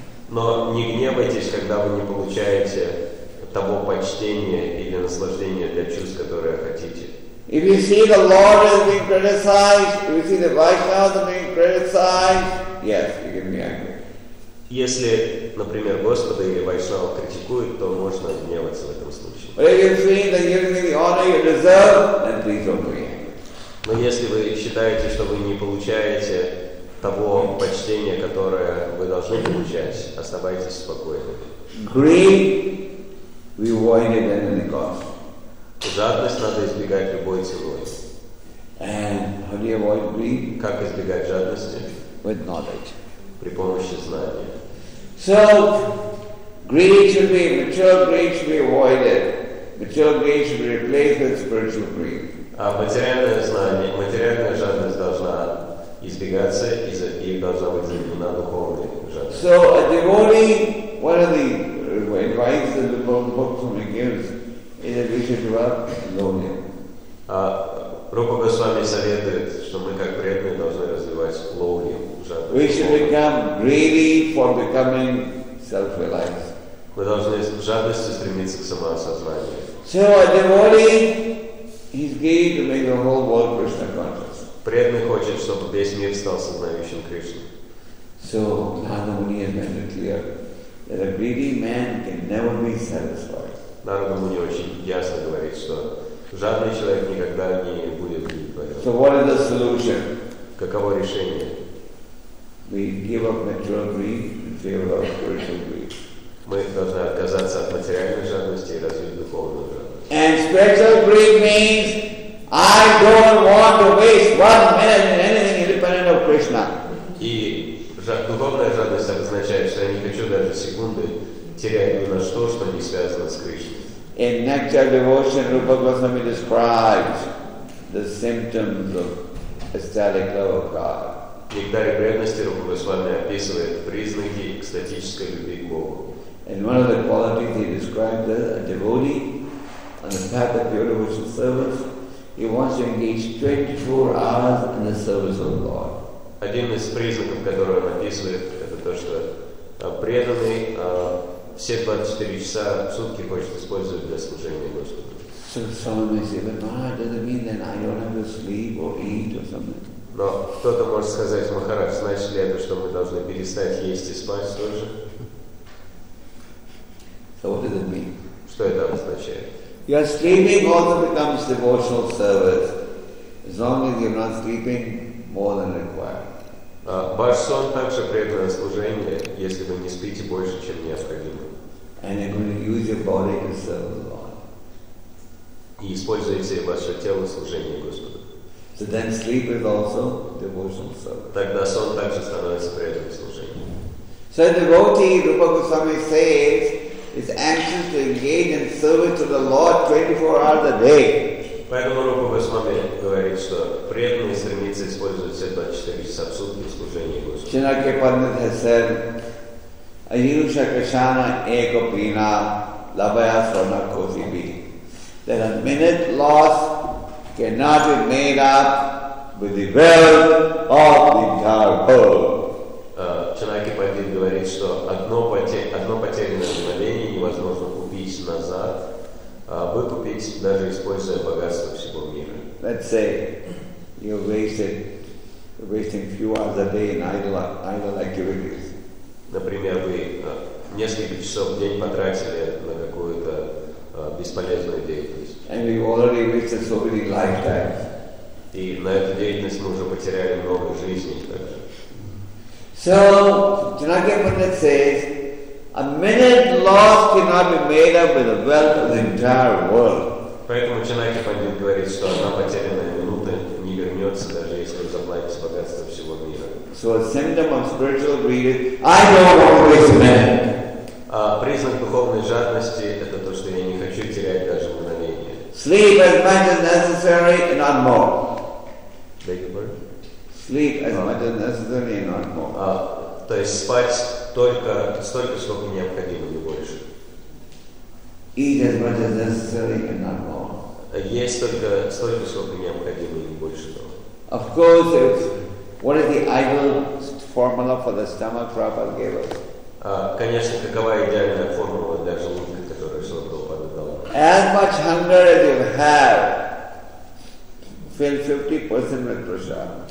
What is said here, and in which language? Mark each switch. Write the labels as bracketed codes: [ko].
[ru] Но не гневайтесь, когда вы не получаете того почтения или наслаждения для чувств, которые хотите. [en] If you see the Lord is being criticized, if you see the Vaishnavas being criticized, yes, you can be angry. [ru] Если, например, Господа или Вайшнава критикуют, то можно гневаться в этом случае. [en] But if you feel that you're giving the honor you deserve, then please don't be angry. [ru] Но если вы считаете, что вы не получаете того почтения, которое вы должны получать, оставайтесь спокойны. [en] Greed, we avoid it at any cost. [ru] Жадность надо избегать любой ценой. [en] And how do you avoid greed? [ru] Как избегать жадности? [en] With knowledge. [ru] При помощи знания. [en] So, greed should be, material greed should be avoided. Material greed should be replaced with spiritual greed. [ru] А материальное знание, материальная жадность должна избегаться и должна быть заменена духовной жадностью. [en] So, a devotee, one of the advice that the book from gives is that we should develop knowledge. [ru] Рупа Госвами советует, что мы как преданные должны развивать лоунию, жадность. [en] We should become greedy for becoming self-realized. [ru] Мы должны с жадностью стремиться к самоосознанию. [en] So a devotee, he's greedy to make the whole world Krishna conscious. [ru] Преданный хочет, чтобы весь мир стал сознающим Кришну. [en] So Narada Muni has made it clear that a greedy man can never be satisfied. [ru] Narada Muni очень ясно говорит, что жадный человек никогда не будет удовлетворен. [en] So what is the solution? [ru] Каково решение? [en] We give up material greed in favor of spiritual greed. [ru] Мы должны отказаться от материальной жадности и развить духовную жадность. [en] And spiritual greed means I don't want to waste one minute in anything independent of Krishna. [ru] И духовная жадность обозначает, что я не хочу даже секунды терять на что, что не связано с Кришной. [en] In nectar devotion, Rupa Goswami describes the symptoms of ecstatic love of God. [ru] В нектаре преданности Рупа Госвами описывает признаки экстатической любви к Богу. [en] And one of the qualities he described as a devotee on the path of pure devotional service, he wants to engage 24 hours in the service of the Lord. [ru] Один из признаков, который он описывает, это то, что преданный все 24 часа в сутки хочет использовать для служения Господу. [en] So someone may say, but Maharaj, does it mean that I don't have to sleep or eat or something? [ru] Но кто-то может сказать, Махарадж, значит ли это, что мы должны перестать есть и спать тоже? [en] So what does it mean? [ru] Что это означает? [en] Your sleeping also becomes devotional service, as long as you're not sleeping more than required. [ru] Ваш сон также преданное служение, если вы не спите больше, чем необходимо. [en] And you're going to use your body to serve the Lord. [ru] И используйте ваше тело в служении Господу. [en] So then sleep is also devotional service. [ru] Тогда сон также становится преданным служением. [en] So the devotee, Rupa Goswami says, is anxious to engage in service to the Lord 24 hours a day. [ru] Поэтому Рупа Госвами говорит, что преданный стремится использовать все 24 часа в сутки в служении Господу. [sa] Чинаки Пандит [en] has said, [sa] Айюша Кришана Эко Пина Лабая Сона Коти Би. [en] That a minute lost cannot be made up with the wealth of the entire world. [ru] Чинаки Пандит говорит, что одно потерянное мгновение невозможно купить назад, выкупить, даже используя богатство всего мира. [en] Let's say you're wasting few hours a day in idle activities. [ru] Например, вы несколько часов в день потратили на какую-то бесполезную деятельность. [en] And you already wasted so many lifetimes. [ru] И на эту деятельность мы уже потеряли много жизней также. [en] So, Janaki Pandit says, a minute lost cannot be made up with the wealth of the entire world. [ru] Поэтому Чанаки Пандит говорит, что одна потерянная минута не вернется, даже если заплатить богатство всего мира. [en] So a symptom of spiritual greed is, I don't want to waste a minute. [ru] А признак духовной жадности – это то, что я не хочу терять даже мгновение. [en] Sleep as much as necessary and not more. Beg your pardon? Sleep as much as necessary and not more. [ru] А, то есть спать только столько, сколько необходимо, не больше. [en] Eat as much as necessary and not more. [ru] Есть только столько, сколько необходимо, не больше. [en] Of course, what is the ideal formula for the stomach Prabhupada gave us? [ru] Конечно, какова идеальная формула для желудка, которую Шрила Прабхупада дал? [en] As much hunger as you have, fill 50% with prasad.